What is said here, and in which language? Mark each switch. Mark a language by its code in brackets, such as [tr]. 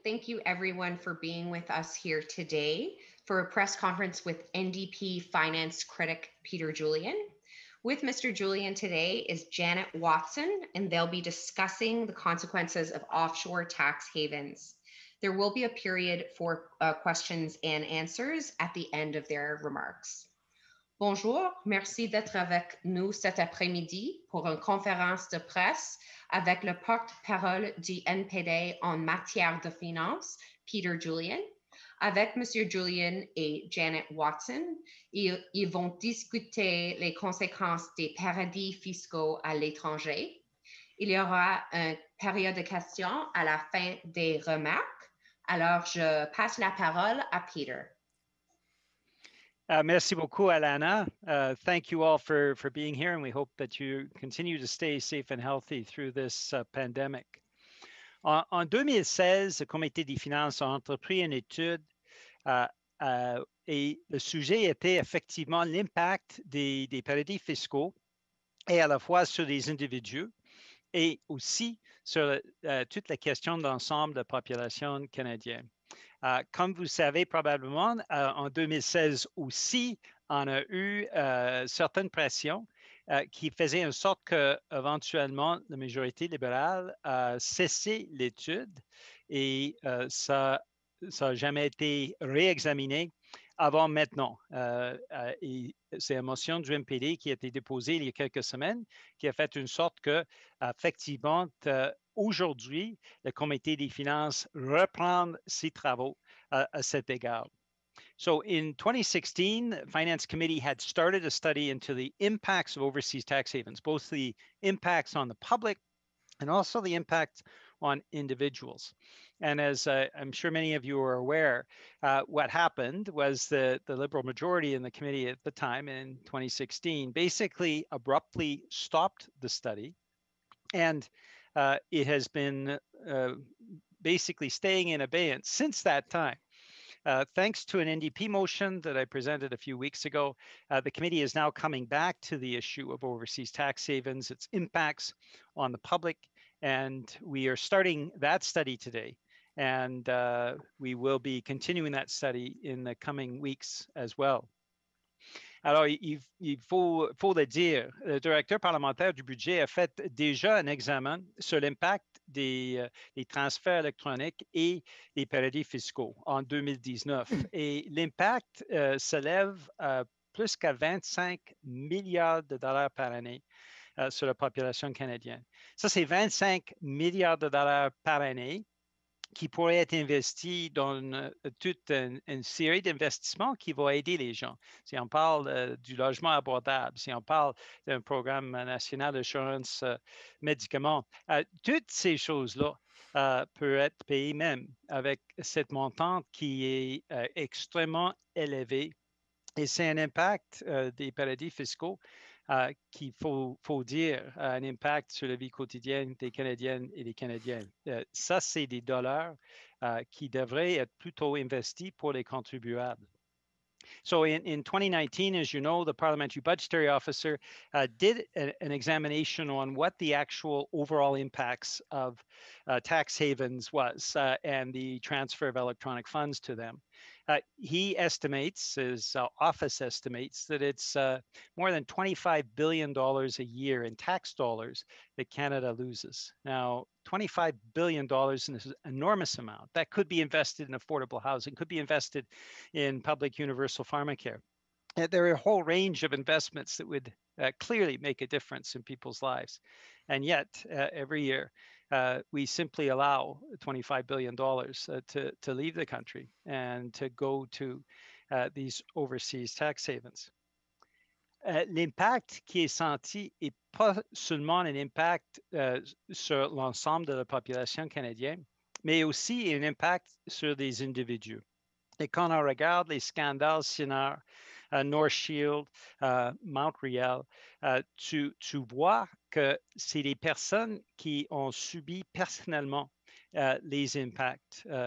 [en] Thank you everyone for being with us here today for a press conference with NDP finance critic Peter Julian. With Mr. Julian today is Janet Watson, and they'll be discussing the consequences of offshore tax havens. There will be a period for questions and answers at the end of their remarks. [fr] Bonjour, merci d'être avec nous cet après-midi pour une conférence de presse avec le porte-parole du NPD en matière de finances, Peter Julian. Avec Monsieur Julian et Janet Watson, ils vont discuter les conséquences des paradis fiscaux à l'étranger. Il y aura une période de questions à la fin des remarques. Alors, je passe la parole à Peter. Merci beaucoup, Alana. [en] Thank you all for being here, and we hope that you continue to stay safe and healthy through this pandemic. [fr] En 2016, le Comité des finances a entrepris une étude et le sujet était effectivement l'impact des paradis fiscaux et à la fois sur les individus et aussi sur toute la question de l'ensemble de la population canadienne. Comme vous savez probablement, en 2016 aussi, on a eu certaines pressions qui faisaient en sorte que, éventuellement, la majorité libérale a cessé l'étude et ça n'a jamais été réexaminé avant maintenant. Et c'est une motion du NPD qui a été déposée il y a quelques semaines qui a fait une sorte que, effectivement, aujourd'hui, le Comité des finances reprend ses travaux à cet égard. [en] So in 2016, the Finance Committee had started a study into the impacts of overseas tax havens, both the impacts on the public and also the impact on individuals. And as I'm sure many of you are aware, what happened was the Liberal majority in the committee at the time in 2016 basically abruptly stopped the study. And it has been basically staying in abeyance since that time. Thanks to an NDP motion that I presented a few weeks ago, the committee is now coming back to the issue of overseas tax havens, its impacts on the public, and we are starting that study today. And we will be continuing that study in the coming weeks as well. [fr] Alors, il faut le dire, le directeur parlementaire du budget a fait déjà un examen sur l'impact des transferts électroniques et des paradis fiscaux en 2019. Et l'impact s'élève à plus qu'à 25 milliards de dollars par année sur la population canadienne. Ça, c'est 25 milliards de dollars par année qui pourrait être investi dans toute une série d'investissements qui vont aider les gens. Si on parle du logement abordable, si on parle d'un programme national d'assurance médicaments, toutes ces choses-là peuvent être payées même avec cette montante qui est extrêmement élevée. Et c'est un impact des paradis fiscaux qu'il faut dire un impact sur la vie quotidienne des Canadiennes et des Canadiens. Ça, c'est des dollars qui devraient être plutôt investis pour les contribuables. [en] So in 2019, as you know, the Parliamentary Budgetary Officer did an examination on what the actual overall impacts of tax havens was and the transfer of electronic funds to them. He estimates, his office estimates, that it's more than $25 billion a year in tax dollars that Canada loses. Now, $25 billion is an enormous amount. That could be invested in affordable housing, could be invested in public universal pharmacare. There are a whole range of investments that would clearly make a difference in people's lives. And yet, every year, we simply allow $25 billion to leave the country and to go to these overseas tax havens. [fr] L'impact qui est senti n'est pas seulement un impact sur l'ensemble de la population canadienne, mais aussi un impact sur des individus. Et quand on regarde les scandales Sinar, North Shield, Mount Riel, tu vois que c'est les personnes qui ont subi personnellement les impacts.